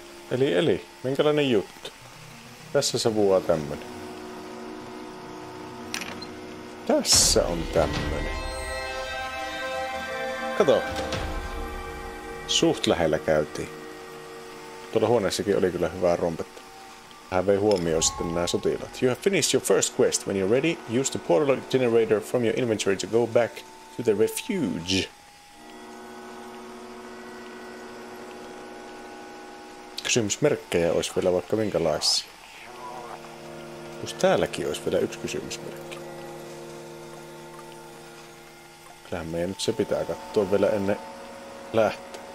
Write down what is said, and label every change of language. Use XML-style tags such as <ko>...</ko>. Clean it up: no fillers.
<fi>Eli, minkälainen juttu? Tässä se vuoaa tämmönen. Tässä on tämmönen. Kato. Suht lähellä käytiin. Tuolla huoneessakin oli kyllä hyvää rompetta. Hän vei huomioon sitten nämä sotilaat.</fi> <en>You have finished your first quest. When you're ready, use the portal generator from your inventory to go back to the refuge.</en> <fi>Kysymysmerkkejä olisi vielä vaikka minkälaisia. Jos täälläkin olisi vielä yksi kysymysmerkki. Kyllähän meidän nyt se pitää katsoa vielä ennen lähtöä.</fi>